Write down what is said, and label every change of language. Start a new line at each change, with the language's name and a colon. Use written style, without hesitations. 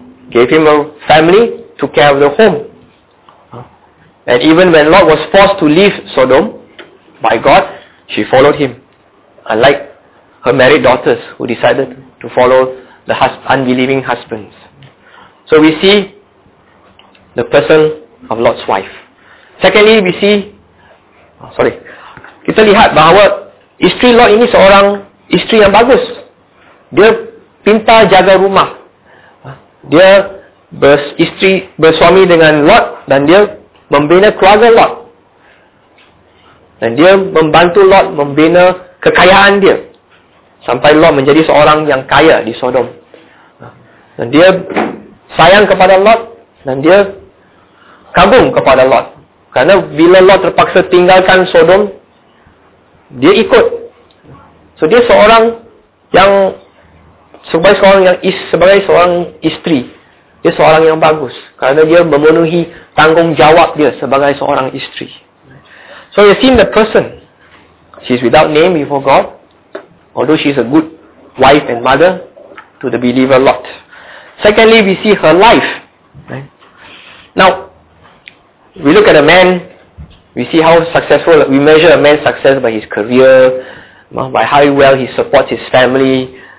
English: Gave him a family. Took care of the home. And even when Lot was forced to leave Sodom by God, she followed him. Unlike her married daughters who decided to follow the unbelieving husbands. So we see the person of Lot's wife. Secondly, we see...
Malay: Kita lihat bahawa isteri Lot ini seorang... isteri yang bagus. Dia pintar jaga rumah. Dia bersuami dengan Lot dan dia membina keluarga Lot. Dan dia membantu Lot membina kekayaan dia. Sampai Lot menjadi seorang yang kaya di Sodom. Dan dia sayang kepada Lot dan dia kagum kepada Lot. Karena bila Lot terpaksa tinggalkan Sodom, dia ikut. So dia seorang yang sebagai seorang isteri, dia seorang yang bagus kerana dia memenuhi tanggungjawab dia sebagai seorang isteri.
English: So you see the person, she's without name before God, although she's a good wife and mother to the believer Lot. Secondly, we see her life. Now we look at a man, we see how successful, we measure a man's success by his career, by how well he supports his family,